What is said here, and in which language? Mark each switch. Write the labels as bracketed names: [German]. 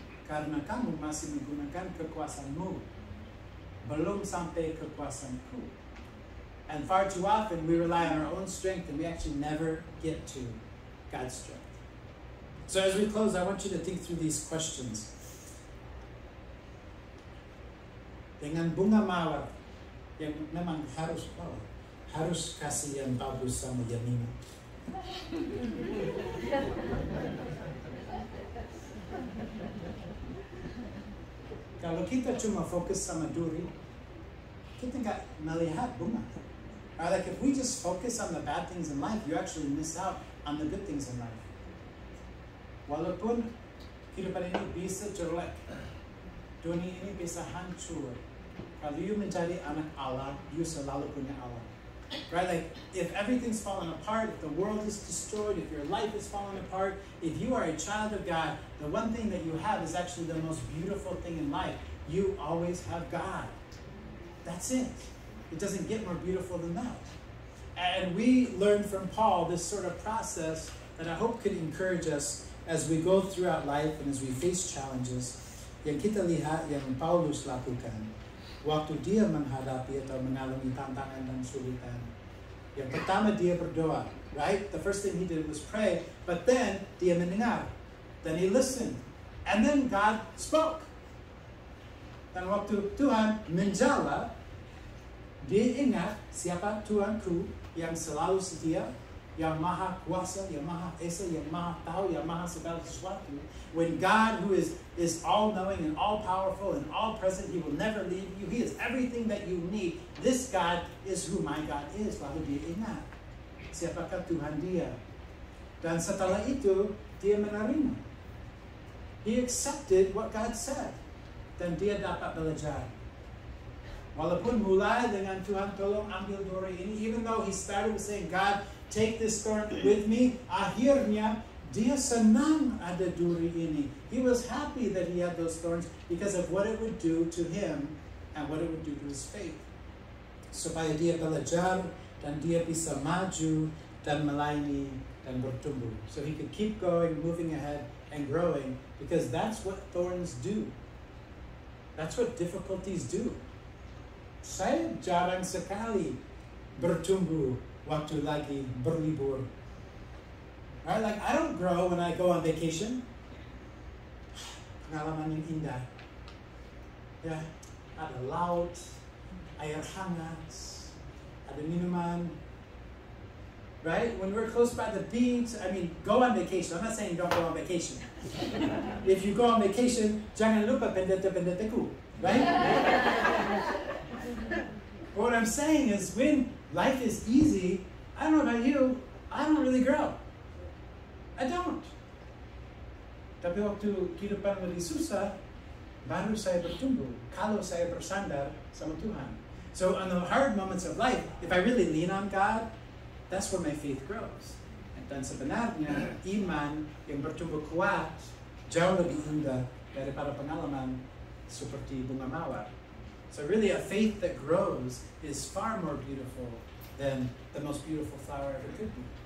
[Indonesian] Karena kamu masih menggunakan kekuasaanmu. Belum sampai kekuasaanku. [English] And far too often we rely on our own strength and we actually never get to God's strength. So as we close, I want you to think through these questions. [Indonesian] Dengan bunga mawar yang memang harus mawar, harus kasih yang bagus sama Yamina. Kalau kita cuma fokus sama duri, kita gak melihat bunga. [English] Right, like if we just focus on the bad things in life, you actually miss out on the good things in life. [Indonesian] Walaupun kehidupan ini bisa jelek, dunia ini bisa hancur, kalau you menjadi anak Allah, you selalu punya Allah. [English] Right, like if everything's falling apart, if the world is destroyed, if your life is falling apart, if you are a child of God, the one thing that you have is actually the most beautiful thing in life. You always have God. That's it. It doesn't get more beautiful than that. And we learn from Paul this sort of process that I hope could encourage us as we go throughout life and as we face challenges. [Indonesian] Yang kita lihat yang Paulus lakukan waktu dia menghadapi atau mengalami tantangan dan sulitan. Yang pertama dia berdoa, right? [English] The first thing he did was pray, but then [Indonesian] dia mendengar. [English] Then he listened. And then God spoke. [Indonesian] Dan waktu Tuhan menjawab, dia ingat siapa Tuhanku yang selalu setia, yang maha kuasa, yang maha esa, yang maha tahu, yang maha segala sesuatu. [English] When God, who is all-knowing and all-powerful and all-present, he will never leave you. He is everything that you need. This God is who my God is. [Indonesian] Lalu dia ingat siapakah Tuhan dia. Dan setelah itu, dia menerima. [English] He accepted what God said. [Indonesian] Dan dia dapat belajar. Walaupun mulai dengan Tuhan tolong ambil Duri ini, [English] even though he started with saying, God, take this storm with me, [Indonesian] akhirnya dia senang ada Duri ini. [English] He was happy that he had those thorns because of what it would do to him and what it would do to his faith. [Indonesian] Supaya dia belajar dan dia bisa maju dan melayani dan bertumbuh. [English] So he could keep going, moving ahead and growing because that's what thorns do. That's what difficulties do. [Indonesian] Saya jarang sekali bertumbuh waktu lagi berlibur. [English] Right? Like, I don't grow when I go on vacation. [Indonesian] Pengalaman yang indah. Yeah. Ada laut, air hangat, ada minuman. Right? [English] When we're close by the beach, I mean, go on vacation. I'm not saying don't go on vacation. If you go on vacation, [Indonesian] jangan lupa pendeta-pendetaku. [English] Right? But what I'm saying is when life is easy, I don't know about you, I don't really grow. I don't. [Indonesian] Tapi waktu kehidupan lebih susah, baru saya bertumbuh. Kalau saya bersandar sama Tuhan. [English] So on the hard moments of life, if I really lean on God, that's where my faith grows. [Indonesian] Dan sebenarnya, iman yang bertumbuh kuat jauh lebih indah daripada pengalaman seperti bunga mawar. [English] So really, a faith that grows is far more beautiful than the most beautiful flower ever could be.